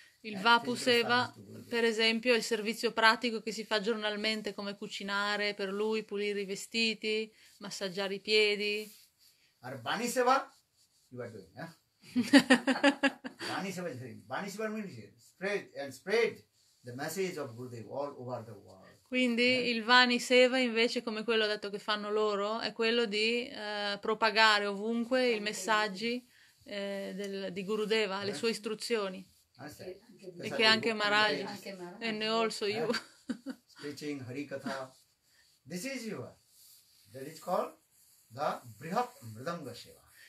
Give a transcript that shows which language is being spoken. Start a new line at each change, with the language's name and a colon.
Italian: Il Vapu Seva, per esempio, è il servizio pratico che si fa giornalmente, come cucinare per lui, pulire i vestiti, massaggiare i piedi.
English: Or Vani Seva, you are doing, Bani Seva means spread the message of Gurudev all over the world.
Italian: Quindi il Vani Seva, invece, come quello detto che fanno loro, è quello di propagare ovunque i messaggi di Gurudeva, le sue istruzioni. E che anche Maharaj
English: and also you. Preaching Harikatha. This is your. That is called the Brihat Mridanga Seva.